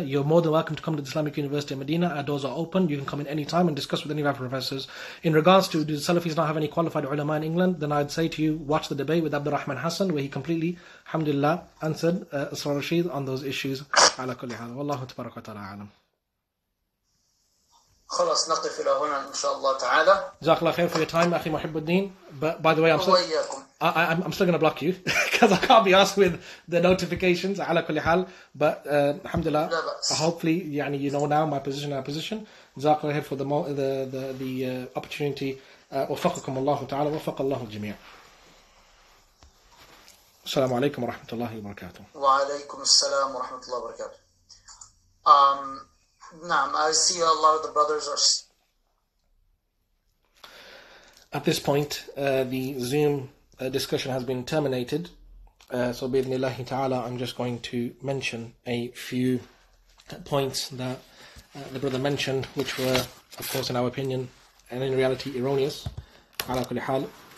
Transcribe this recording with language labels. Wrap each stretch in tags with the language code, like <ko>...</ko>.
<en>You're more than welcome to come to the Islamic University of Medina. Our doors are open. You can come in any time and discuss with any of our professors. In regards to, do the Salafis not have any qualified ulama in England? Then I'd say to you, watch the debate with Abdurrahman Hassan, where he completely, alhamdulillah, answered Asrar Rashid on those issues.</en> <ar>Ala kulli hal. Wallahu tabarak wa ta'ala alam. خلاص نقف إلى هنا إن شاء الله تعالى. جزاك الله خير</ar> <en>for your time,</en> <ar>أخي محب الدين.</ar> <en>But by the way, I'm still going to block you because I can't be asked with the notifications.</en> <ar>على كل حال, but alhamdulillah. لا بأس.</ar> <en>Hopefully, يعني you know now my position, our position.</en> <ar>جزاك الله خير</ar> <en>for the opportunity.</en> <ar>وفقكم الله تعالى وفق الله الجميع. السلام عليكم ورحمة الله وبركاته. وعليكم السلام ورحمة الله وبركاته.</ar> <en>I see a lot of the brothers are... At this point, the Zoom discussion has been terminated. So, bi-idhnillahi ta'ala, I'm just going to mention a few points that the brother mentioned, which were, of course, in our opinion, and in reality, erroneous.</en> <ar>Ala kulli hal.</ar>